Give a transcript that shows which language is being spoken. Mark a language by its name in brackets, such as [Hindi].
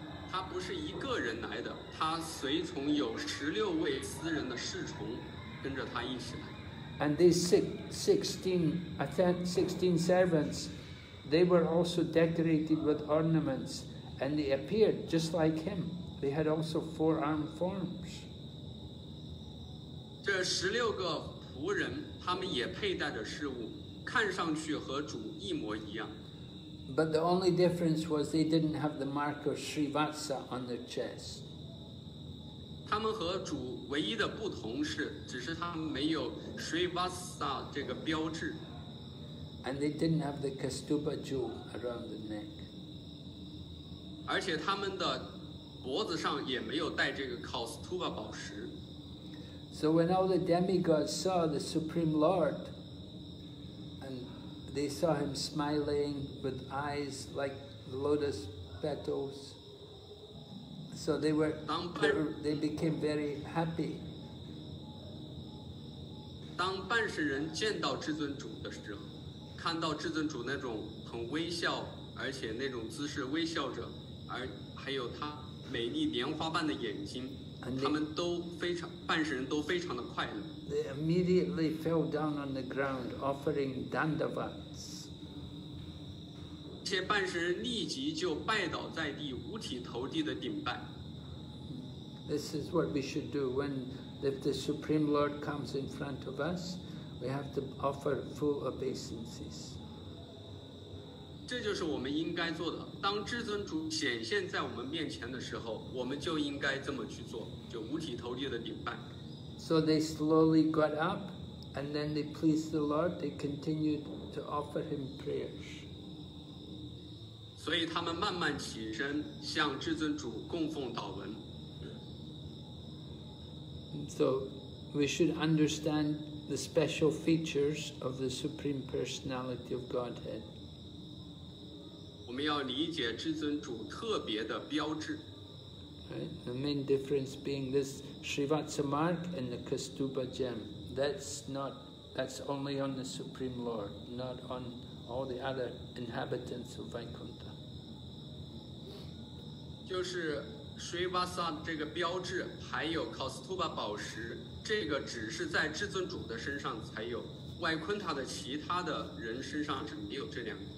[Chinese] 他不是一个人来的，他随从有16位私人的侍从跟着他一起来。 [English] And these 16 servants, they were also decorated with ornaments, and they appeared just like him. They had also four armed forms. [Chinese] 这十六个仆人，他们也佩戴着饰物，看上去和主一模一样。 [English] But the only difference was they didn't have the mark of Srivatsa on their chest. [Chinese] 他们和主唯一的不同是，只是他们没有 Srivatsa 这个标志。 [English] And they didn't have the Kastuba jewel around the neck. [Chinese] 而且他们的脖子上也没有带这个 Kastuba 宝石。 [English] So when all the demigods saw the Supreme Lord, and they saw him smiling with eyes like lotus petals, so they became very happy. [Chinese] 当半神人见到至尊主的时候，看到至尊主那种很微笑，而且那种姿势微笑着，而还有他。美丽莲花般的眼睛，他们都非常，半神人都非常的快乐。 [English] They immediately fell down on the ground, offering dandavats. [Chinese] 这半神人立即就拜倒在地，五体投地的顶拜。 [English] This is what we should do when, if the Supreme Lord comes in front of us, we have to offer full obeisances. [Chinese] 这就是我们应该做的。当至尊主显现在我们面前的时候，我们就应该这么去做，就五体投地的顶拜。 [English] So they slowly got up, and then they pleased the Lord. They continued to offer him prayers. [Chinese] 所以他们慢慢起身，向至尊主供奉祷文。 [English] So we should understand the special features of the Supreme Personality of Godhead. [Chinese] 我们要理解至尊主特别的标志。 [English] Right, the main difference being this Srivatsa mark and the Kastuba gem. That's only on the Supreme Lord, not on all the other inhabitants of Vaikuntha. [Chinese] 就是 Srivatsa 这个标志，还有 Kastuba 宝石，这个只是在至尊主的身上才有，外昆塔的其他的人身上是没有这两个。